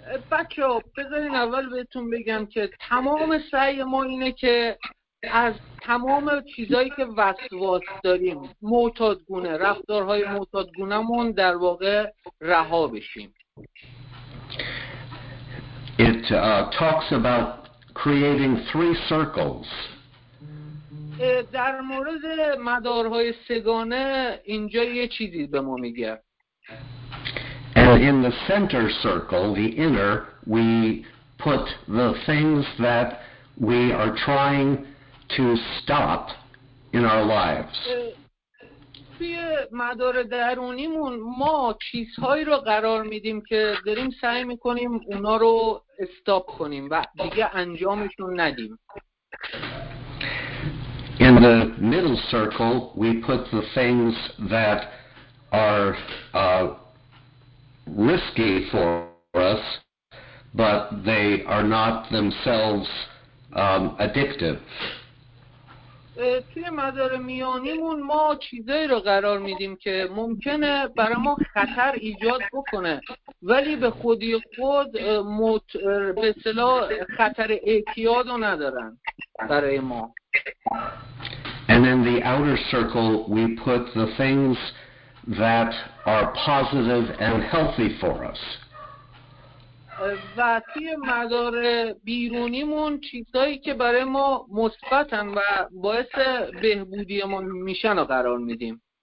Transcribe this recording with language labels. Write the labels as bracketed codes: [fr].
[fa] بچه ها بذارین اول بهتون بگم که تمام سعی ما اینه که از تمام چیزایی که وسواس داریم، معتادگونه، رفتارهای معتادگونمون در واقع رها بشیم. [en] It talks about creating three circles. [fa] در مورد مدارهای سگانه اینجا یه چیزی به ما میگه. [en] In the center circle, the inner, we put the things that we are trying to stop in our lives. [fa] توی مدار درونیمون ما چیزهایی رو قرار میدیم که داریم سعی میکنیم اونا رو استاپ کنیم و دیگه انجامشون ندیم. [en] In the middle circle, we put the things that are risky for us, but they are not themselves addictive. [fa] توی مدار میانیمون ما چیزایی رو قرار میدیم که ممکنه برای ما خطر ایجاد بکنه ولی به خودی خود به اصطلاح خطر اعتیاد رو ندارن برای ما. [en] And in the outer circle we put the things that are positive and healthy for us. [fa] و توی مدار بیرونیمون چیزایی که برای ما مثبتن و باعث بهبودی ما میشن رو قرار میدیم.